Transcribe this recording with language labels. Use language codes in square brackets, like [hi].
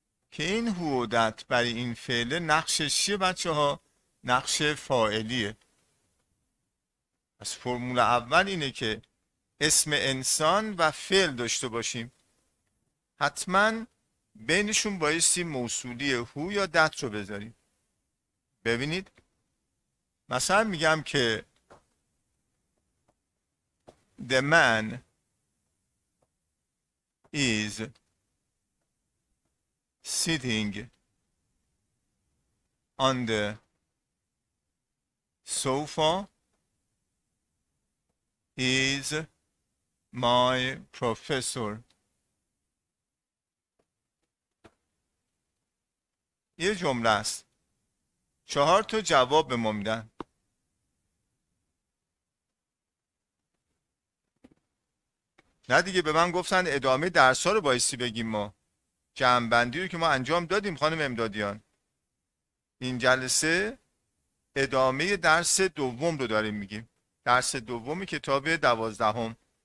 [fa] که این هو و دت برای این فعل نقشش چیه بچه ها؟ نقش فاعلیه. از فرمول اول اینه که اسم انسان و فعل داشته باشیم، حتما بینشون بایستی موصولی هو یا دت رو بذاریم. ببینید، مثلا میگم که [en] The man is sitting on the sofa is my professor. [fa] یه جمله است، چهار تا جواب به ما میدن. نه دیگه، به من گفتن ادامه درس‌ها رو بایستی بگیم، ما جمع‌بندی رو که ما انجام دادیم خانم امدادیان، این جلسه ادامه درس دوم رو داریم میگیم، درس دوم کتاب دوازدهم.